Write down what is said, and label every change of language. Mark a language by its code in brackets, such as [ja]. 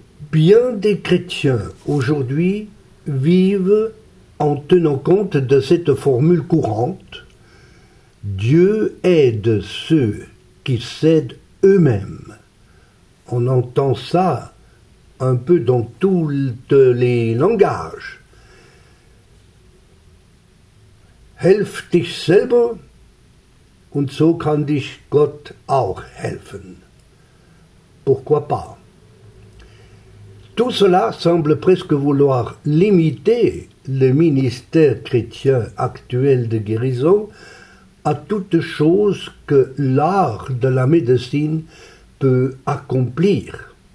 [fr] Bien des chrétiens aujourd'hui vivent en tenant compte de cette formule courante, Dieu aide ceux qui cèdent eux-mêmes. On entend ça un peu dans tous les langages. [de] Helf dich selber und so kann dich Gott auch helfen. [fr] Pourquoi pas? Tout cela semble presque vouloir limiter le ministère chrétien actuel de guérison à toute chose que l'art de la médecine peut accomplir.